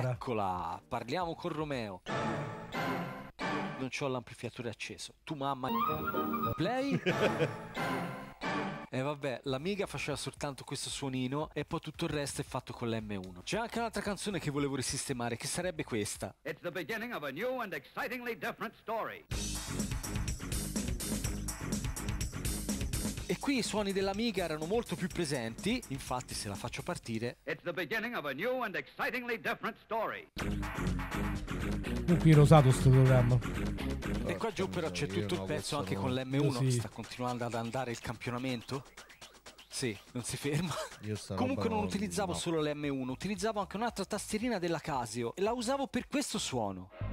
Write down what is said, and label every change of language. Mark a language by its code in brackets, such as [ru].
[it] Eccola, Parliamo con Romeo. Non c'ho l'amplificatore acceso. Tu mamma. Play. E vabbè, l'Amiga faceva soltanto questo suonino e poi tutto il resto è fatto con l'M1. C'è anche un'altra canzone che volevo risistemare, che sarebbe questa. [en] It's the beginning of a new and excitingly different story. [it] E qui i suoni dell'Amiga erano molto più presenti, infatti se la faccio partire. [en] It's the beginning of a new and excitingly different story. [it] Qui rosato sto programma. E qua giù però c'è tutto il pezzo anche con l'M1, sì. Sta continuando ad andare il campionamento. Sì, non si ferma. Comunque non utilizzavo solo l'M1, utilizzavo anche un'altra tastierina della Casio e la usavo per questo suono.